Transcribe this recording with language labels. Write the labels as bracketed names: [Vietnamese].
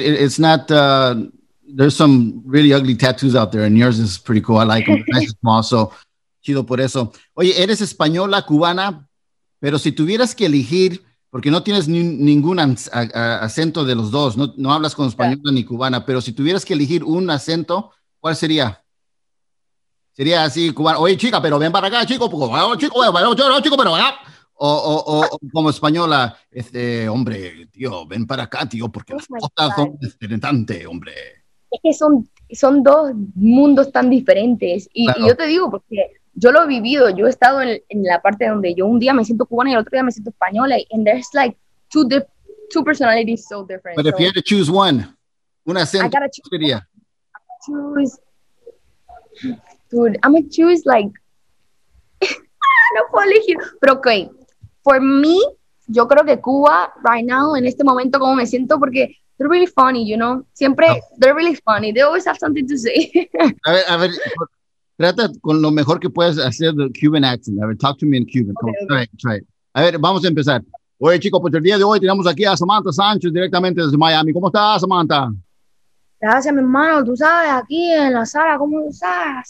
[English] It's not, there's some really ugly tattoos out there, and yours is pretty cool, I like them, nice and small, [Spanish] so chido por eso. Oye, eres española, cubana, pero si tuvieras que elegir, porque no tienes ningún acento de los dos, no hablas con española, yeah, ni cubana, pero si tuvieras que elegir un acento, ¿cuál sería? Sería así, cubana, oye chica, pero ven para acá, chico, pero acá. O como española, este, hombre, tío, ven para acá, tío, porque las cosas son desesperantes, hombre. Es que son dos mundos tan diferentes, y, claro, y yo te digo, porque yo lo he vivido, yo he estado en la parte donde yo un día me siento cubana y el otro día me siento española, [English] and there's like two personalities so different. But so, if you had to choose one, [Spanish] un acento, ¿qué sería? [English] I'm gonna choose like, [Spanish] no puedo elegir, pero [English] ok, for me, [Spanish] yo creo que Cuba, [English] right now, [Spanish] en este momento, ¿cómo me siento? Porque [English] they're really funny, you know? [Spanish] Siempre, [English] oh, they're really funny, they always have something to say. [Spanish] A ver, Trata con lo mejor que puedas hacer el Cuban accent. A ver, [English] talk to me in Cuban. Okay, come on, okay. Try it. [Spanish] A ver, vamos a empezar. Oye, chicos, pues el día de hoy tenemos aquí a Samantha Sánchez directamente desde Miami. ¿Cómo estás, Samantha? Gracias, mi hermano. Tú sabes, aquí en la sala, ¿cómo estás?